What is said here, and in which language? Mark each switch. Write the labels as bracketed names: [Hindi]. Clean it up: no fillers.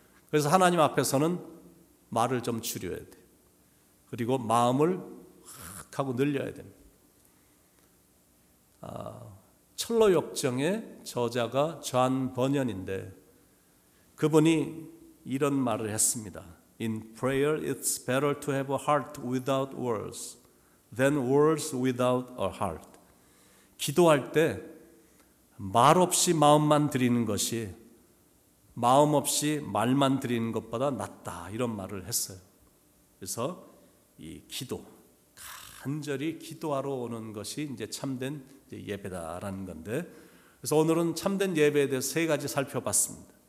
[Korean] 그래서 하나님 앞에서는 말을 좀 줄여야 돼. 그리고 마음을 확 하고 늘려야 돼. 철로역정의 저자가 존 번연인데 그분이 이런 말을 했습니다. [English] In prayer, it's better to have a heart without words than words without a heart. [Korean] 기도할 때 말 없이 마음만 드리는 것이 마음 없이 말만 드리는 것보다 낫다. 이런 말을 했어요. 그래서 이 기도, 간절히 기도하러 오는 것이 이제 참된 예배다라는 건데 그래서 오늘은 참된 예배에 대해서 세 가지 살펴봤습니다.